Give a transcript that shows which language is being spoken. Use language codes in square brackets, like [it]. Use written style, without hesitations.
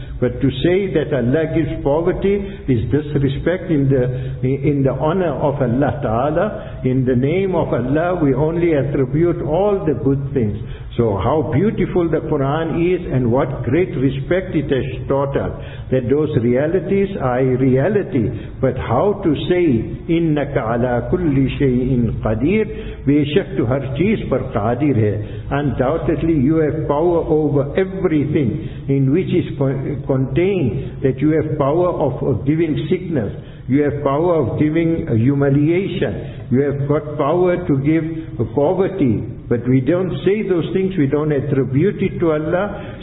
[en] But to say that Allah gives poverty is disrespect in the honor of Allah Ta'ala. In the name of Allah, we only attribute all the good things. So how beautiful the Quran is, and what great respect it has taught us, that those realities are a reality. But how to say, [ar] إِنَّكَ عَلَىٰ كُلِّ شَيْءٍ قَدِيرٍ, [ur] بِيشَكْ تُ هَرْ چِيز پَرْ قَادِرْ هَيْ. [en] Undoubtedly you have power over everything in which is contained, that you have power of giving sickness. You have power of giving humiliation. You have got power to give poverty. But we don't say those things, we don't attribute it to Allah.